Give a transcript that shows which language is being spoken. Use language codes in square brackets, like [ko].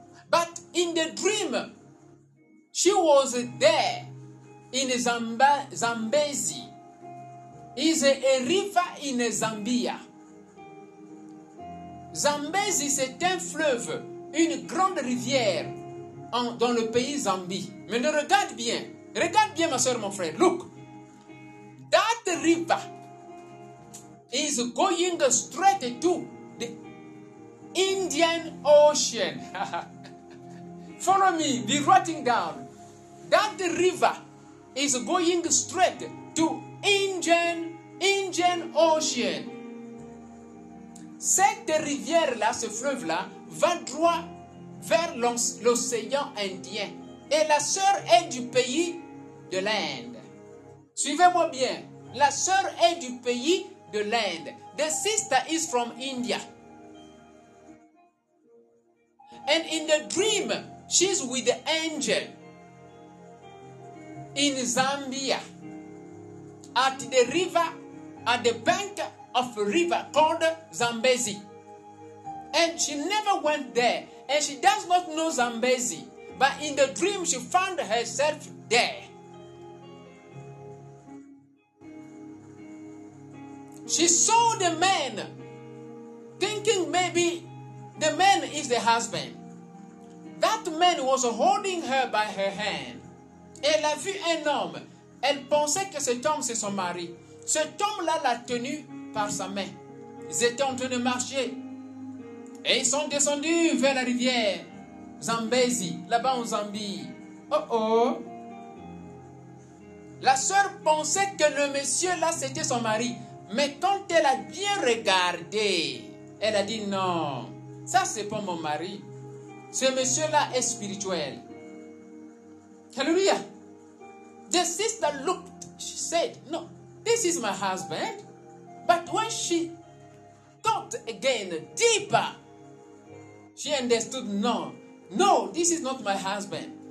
[en] But in the dream, she was there in Zambezi. Is a river in Zambia. [fr] Zambezi, c'est un fleuve, une grande rivière dans le pays Zambie. Mais ne regarde bien. Regarde bien, ma soeur, mon frère. [en] Look. That river is going straight to the Indian Ocean. Follow me. Be writing down. That river is going straight to Indian Ocean. [fr] Cette rivière-là, ce fleuve-là, va droit vers l'océan Indien. Et la sœur est du pays de l'Inde. Suivez-moi bien. La sœur est du pays de l'Inde. [en] The sister is from India. And in the dream, she's with the angel in Zambia at the river, at the bank of a river called Zambezi. And she never went there. And she does not know Zambezi. But in the dream, she found herself there. She saw the man, thinking maybe the man is the husband. That man was holding her by her hand. [fr] Elle a vu un homme. Elle pensait que cet homme, c'est son mari. Cet homme-là l'a tenu par sa main. Ils étaient en train de marcher. Et ils sont descendus vers la rivière Zambezi, là-bas en Zambie. Oh oh! La sœur pensait que le monsieur-là, c'était son mari. Mais quand elle a bien regardé, elle a dit non, ça c'est pas mon mari. Ce monsieur-là est spirituel. Alléluia! [en] The sister looked, she said, no, this is my husband. But when she thought again deeper, she understood, no, this is not my husband.